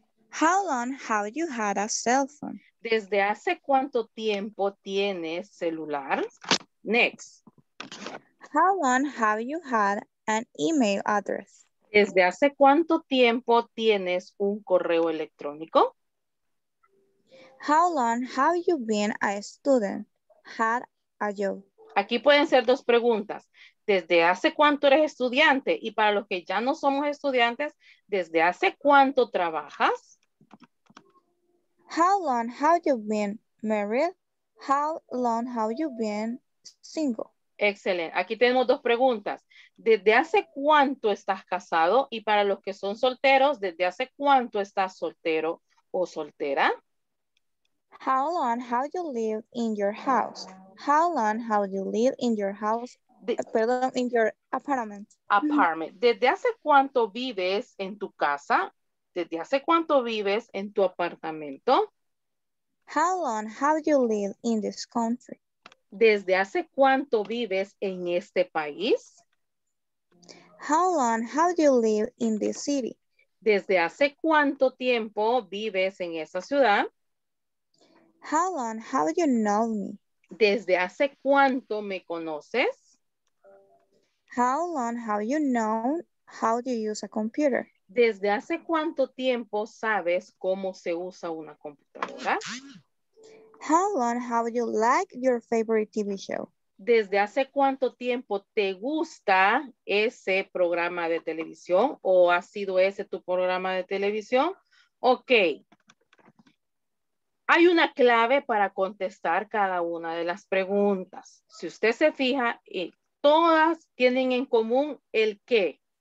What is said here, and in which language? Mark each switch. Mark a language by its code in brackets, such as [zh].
[en] How long have you had a cell phone? [es] ¿Desde hace cuánto tiempo tienes celular? [en] Next. How long have you had an email address? [es] ¿Desde hace cuánto tiempo tienes un correo electrónico? [en] How long have you been a student? Had a job. [es] Aquí pueden ser dos preguntas. ¿Desde hace cuánto eres estudiante? Y para los que ya no somos estudiantes, ¿desde hace cuánto trabajas? [en] How long have you been married? How long have you been single? [es] Excelente. Aquí tenemos dos preguntas. ¿Desde hace cuánto estás casado? Y para los que son solteros, ¿desde hace cuánto estás soltero o soltera? [en] How long have you lived in your house? How long have you lived in your house? In your apartment. [es] Apartment. ¿Desde hace cuánto vives en tu casa? ¿Desde hace cuánto vives en tu apartamento? [en] How long have you lived in this country? [es] ¿Desde hace cuánto vives en este país? [en] How long have you lived in this city? [es] ¿Desde hace cuánto tiempo vives en esta ciudad? [en] How long have you known me? [es] ¿Desde hace cuánto me conoces? [en] How long have you known how to use a computer? [es] ¿Desde hace cuánto tiempo sabes cómo se usa una computadora? [en] How long have you liked your favorite TV show? [es] ¿Desde hace cuánto tiempo te gusta ese programa de televisión? ¿O ha sido ese tu programa de televisión? Ok. Hay una clave para contestar cada una de las preguntas. Si usted se fija, todas tienen en común el qué.